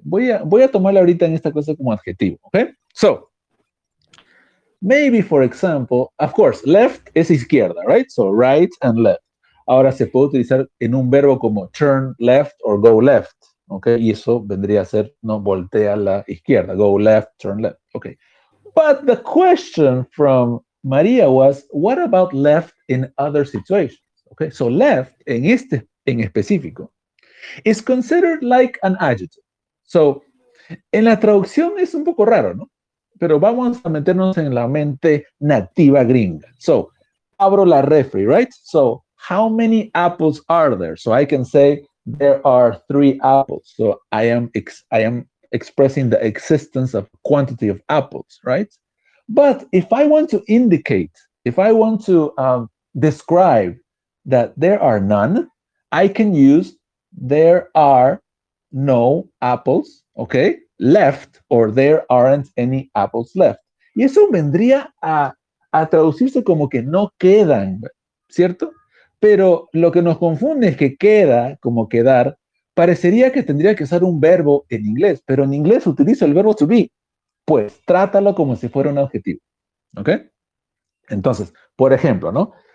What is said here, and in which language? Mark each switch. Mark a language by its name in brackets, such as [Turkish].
[Spanish] Voy a tomarla ahorita en esta cosa como adjetivo, okay? [English] So, maybe for example, of course, [Spanish] left es izquierda, right? [English] So right and left. [Spanish] Ahora se puede utilizar en un verbo como [English] turn left or go left, okay? [Spanish] Y eso vendría a ser, no, voltea a la izquierda, [English] go left, turn left, [Spanish] okay? [English] But the question from Maria was, what about left in other situations, okay? So left, [Spanish] en este en específico, [English] is considered like an adjective. [Spanish] So, en la traducción es un poco raro, ¿no? Pero vamos a meternos en la mente nativa gringa. [English] So, [Spanish] abro la refri, [English] right? So, how many apples are there? So I can say there are 3 apples. So I am expressing the existence of quantity of apples, right? But if I want to indicate, if I want to describe that there are none, I can use there are no apples, okay, left, or there aren't any apples left. [Spanish] Y eso vendría a traducirse como que no quedan, ¿cierto? Pero lo que nos confunde es que queda, como quedar, parecería que tendría que usar un verbo en inglés, pero en inglés utilizo el verbo to be. Pues trátalo como si fuera un adjetivo, ¿ok? Entonces, por ejemplo, ¿no?